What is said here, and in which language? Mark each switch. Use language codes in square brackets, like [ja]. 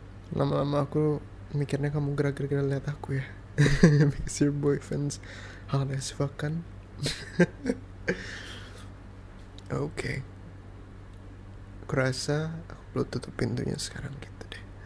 [id] Lama-lama aku mikirnya kamu gerak-gerak lihat aku ya. [en] Because your boyfriend's hot as fuck kan. Okay. [id] Aku rasa aku perlu tutup pintunya sekarang gitu deh.